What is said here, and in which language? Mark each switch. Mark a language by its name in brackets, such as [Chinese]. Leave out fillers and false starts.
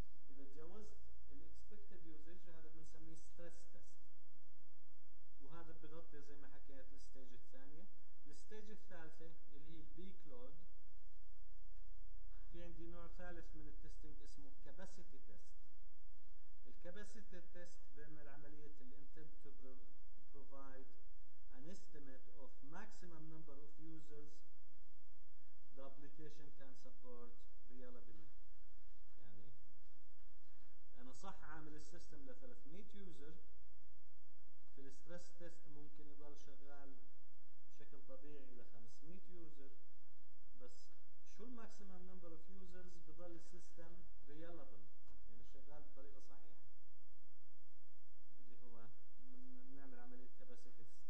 [Arabic] اذا تجاوزت ال expected usage هذا بنسميه ستريس تيست، وهذا بغطي زي ما حكيت الستيج الثانيه. الستيج الثالثه اللي هي البيك لود، في عندي نوع ثالث من التستنج اسمه كاباسيتي تيست. الكاباسيتي تيست بيعمل عملية الـ [English] intent to provide an estimate of maximum number of users the application can support reliably. [Arabic] يعني أنا صح عامل السيستم لـ300 يوزر، في الستريس تيست ممكن يضل شغال بشكل طبيعي لـ500 يوزر، بس شو الماكسيمم نمبر اوف يوزرز بضل السيستم ريلابل، يعني شغال بطريقه صحيحه، اللي هو بنعمل عمليه كاباسيتي.